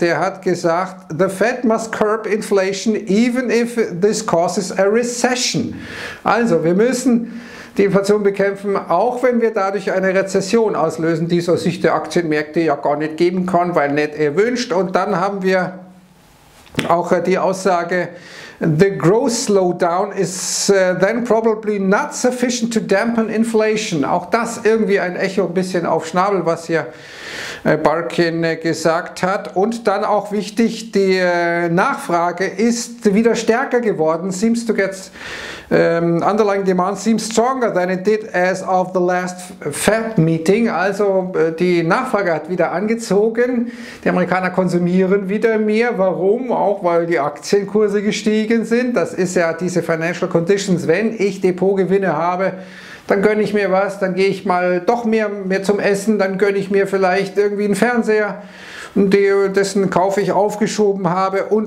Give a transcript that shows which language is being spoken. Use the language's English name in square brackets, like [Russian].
[German] Der hat gesagt, [English] the Fed must curb inflation even if this causes a recession. [German] Also wir müssen die Inflation bekämpfen, auch wenn wir dadurch eine Rezession auslösen, die es aus Sicht der Aktienmärkte ja gar nicht geben kann, weil nicht erwünscht. Und dann haben wir auch die Aussage [English] The growth slowdown is then probably not sufficient to dampen inflation. [German] Auch das irgendwie ein Echo ein bisschen auf Schnabel, was hier Barkin gesagt hat. Und dann auch wichtig, die Nachfrage ist wieder stärker geworden. [English] Seems to get underlying demand seems stronger than it did as of the last Fed meeting. [German] Also die Nachfrage hat wieder angezogen. Die Amerikaner konsumieren wieder mehr. Warum? Auch weil die Aktienkurse gestiegen sind. Das ist ja diese Financial Conditions. Wenn ich Depotgewinne habe, dann gönne ich mir was, dann gehe ich mal doch mehr zum Essen, dann gönne ich mir vielleicht irgendwie einen Fernseher, dessen Kauf ich aufgeschoben habe und.